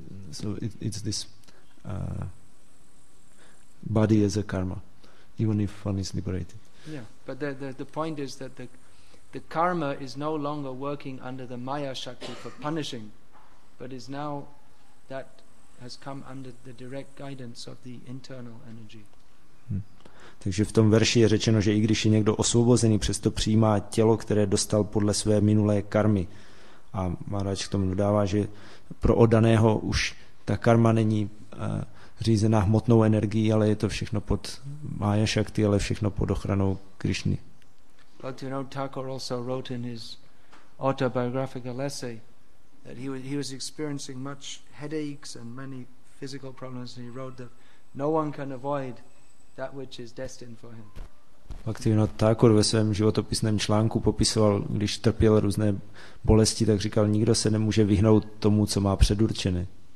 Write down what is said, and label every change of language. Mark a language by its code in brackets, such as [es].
[en] So it's this body as a karma, even if one is liberated. Yeah, but the point is that the karma is no longer working under the Maya Shakti for punishing, but is now that has come under the direct guidance of the internal energy. [cs] Takže v tom verši je řečeno, že i když je někdo osvobozený, přesto přijímá tělo, které dostal podle své minulé karmy. A Maharaj k tomu dodává, že pro oddaného už ta karma není řízená hmotnou energií, ale je to všechno pod Maya Shakti, ale všechno pod ochranou Krišny. [en] Bhaktivinoda Thakur also wrote in his autobiographical essay that he was experiencing much headaches and many physical problems, and he wrote that no one can avoid that which is destined for him. [cs] Bhaktivinoda Thakur ve svém životopisném článku popisoval, když trpěl různé bolesti, tak říkal, nikdo se nemůže vyhnout tomu, co má předurčené.